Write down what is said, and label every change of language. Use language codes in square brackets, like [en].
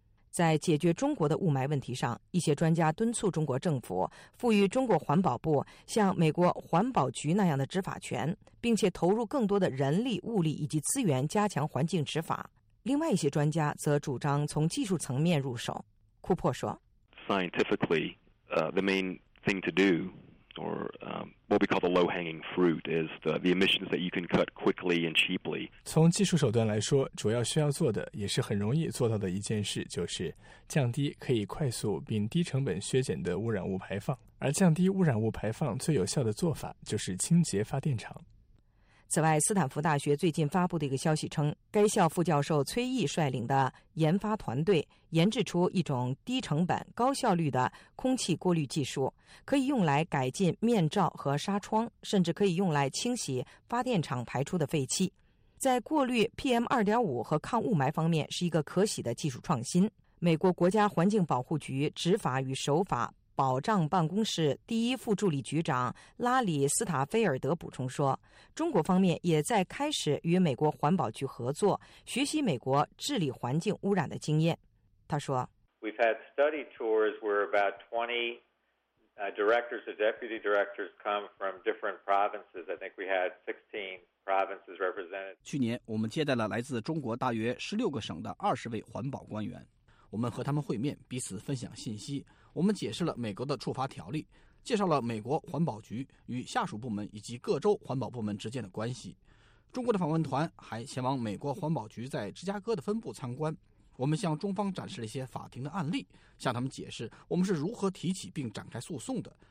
[zh] 在解决中国的雾霾问题上，一些专家敦促中国政府赋予中国环保部像美国环保局那样的执法权，并且投入更多的人力、物力以及资源加强环境执法。另外一些专家则主张从技术层面入手。库珀说 [en] Scientifically, the main thing to do or what we call the low-hanging fruit is the emissions that you can cut quickly and cheaply. [zh] 从技术手段来说，主要需要做的也是很容易做到的一件事，就是降低可以快速并低成本削减的污染物排放。而降低污染物排放最有效的做法就是清洁发电厂。此外，斯坦福大学最近发布的一个消息称，该校副教授崔毅率领的研发团队研制出一种低成本、高效率的空气过滤技术，可以用来改进面罩和纱窗，甚至可以用来清洗发电厂排出的废气。在过滤 PM2.5 和抗雾霾方面是一个可喜的技术创新。美国国家环境保护局执法与守法保障办公室第一副助理局长拉里·斯塔菲尔德补充说，中国方面也在开始与美国环保局合作，学习美国治理环境污染的经验。他说 [en] We've had study tours where about 20 directors or deputy directors come from different provinces. I think we had 16 provinces represented. [zh] 去年我们接待了来自中国大约16个省的20位环保官员，我们和他们会面，彼此分享信息，我们解释了美国的处罚条例，介绍了美国环保局与下属部门以及各州环保部门之间的关系。中国的访问团还前往美国环保局在芝加哥的分部参观，我们向中方展示了一些法庭的案例，向他们解释我们是如何提起并展开诉讼的。